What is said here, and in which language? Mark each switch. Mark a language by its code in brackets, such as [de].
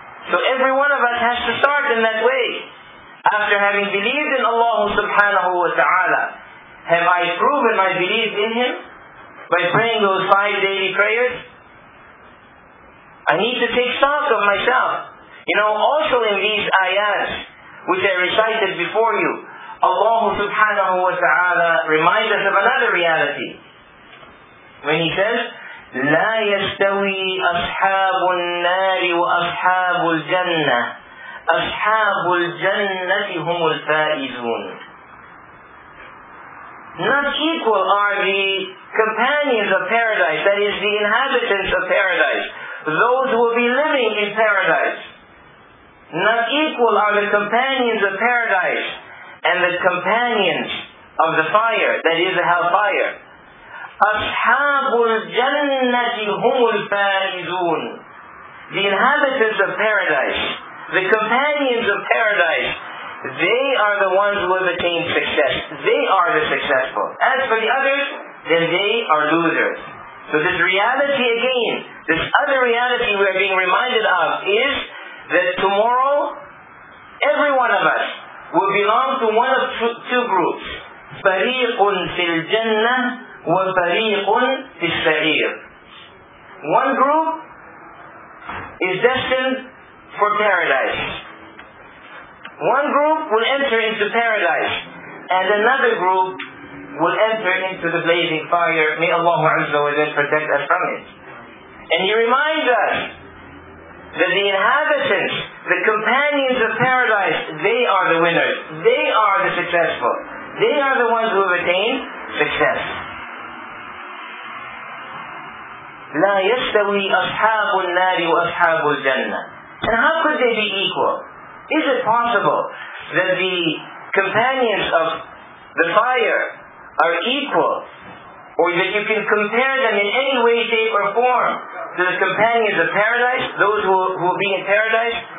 [en] So every one of us has to start in that way. After having believed in Allah subhanahu wa ta'ala, have I proven my belief in Him by praying those 5 daily prayers? I need to take stock of myself. You know, also in these ayahs, which I recited before you, Allah subhanahu wa ta'ala reminds us of another reality. When He says, [ar] لَا يَسْتَوِي أَصْحَابُ النَّارِ وَأَصْحَابُ الْجَنَّةِ أَصْحَابُ الْجَنَّةِ هُمُ الْفَائِزُونَ. [en] Not equal are the companions of paradise, that is, the inhabitants of paradise, those who will be living in paradise. Not equal are the companions of paradise and the companions of the fire, that is, the hellfire. [ar] أصحاب الجنة هم الفائزون. [en] The inhabitants of paradise, the companions of paradise, they are the ones who have attained success. They are the successful. As for the others, then they are losers. So this reality again, this other reality we are being reminded of is that tomorrow, every one of us will belong to one of two groups. [ar] فريقٌ في الجنة وَفَرِيقٌ فِي السَّعِيرِ. [en] One group is destined for paradise. One group will enter into paradise, and another group will enter into the blazing fire. May Allah Azza wa Jalla protect us from it. And He reminds us that the inhabitants, the companions of paradise, they are the winners. They are the successful. They are the ones who have attained success. [ar] لا يستوي أصحاب النار وأصحاب الجنة. [en] And how could they be equal? Is it possible that the companions of the fire are equal, or that you can compare them in any way, shape, or form to the companions of paradise, those who will be in paradise?